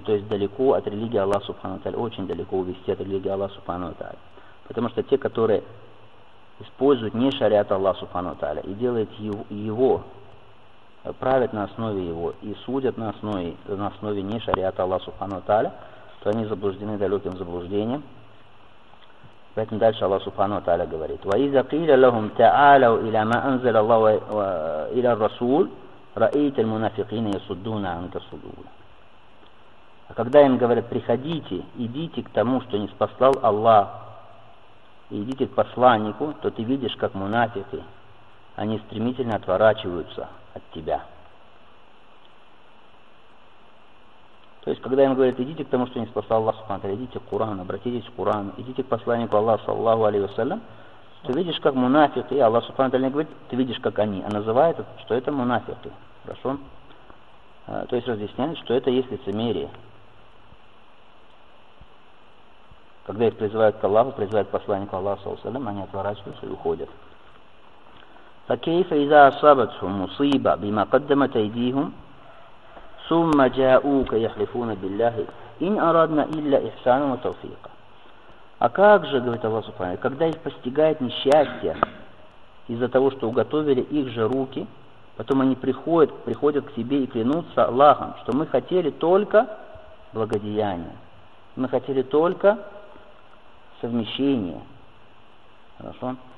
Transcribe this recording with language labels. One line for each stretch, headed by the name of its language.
Russian: То есть далеко от религии Аллах Субхану Таля. Очень далеко увести от религии Аллах Субхану Таля. Потому что те, которые используют не шариат Аллах Субхану Таля и делают его, правят на основе его и судят на основе не шариата Аллаха Субхану Таля, то они заблуждены далеким заблуждением. Поэтому дальше Аллах Субхану Таля говорит:
Arabic: وَإِذَا قِيلَ لَهُمْ تَعَالَوْا إِلَى مَا أَنزَلَ اللَّهُ إِلَى الرَّسُولِ رَأَيْتَ الْمُنَافِقِينَ يَصُدُّونَ عَنكَ صُدُودًا.
Russian: А когда им говорят: приходите, идите к тому, что ниспослал Аллах, идите к посланнику, то ты видишь, как мунафики, они стремительно отворачиваются от тебя. То есть, когда им говорят: идите к тому, что не спасал Аллах Субхану Таля, идите к Курану, обратитесь к Курану, идите к посланнику Аллаха, саллаллаху алейхи ва саллям, ты видишь, как мунафики, и Аллах Субхану Таля не говорит, ты видишь, как они, а называет, что это мунафики. Хорошо? То есть, разъясняет, что это есть лицемерие. Когда их призывают к Аллаху, призывают к посланнику Аллаха, саллаллаху алейхи ва саллям, они отворачиваются и уходят.
Arabic: فكيف إذا أصابتهم مصيبة بما قدمت أيديهم ثم جاءوك يحلفون بالله إن أرادنا إلا إحسانا وتوفيقا.
Russian: А как же, говорит Аллах Субхану, когда их постигает несчастье из-за того, что уготовили их же руки, потом они приходят к тебе и клянутся Аллахом, что мы хотели только благодеяния, мы хотели только совмещения. Хорошо?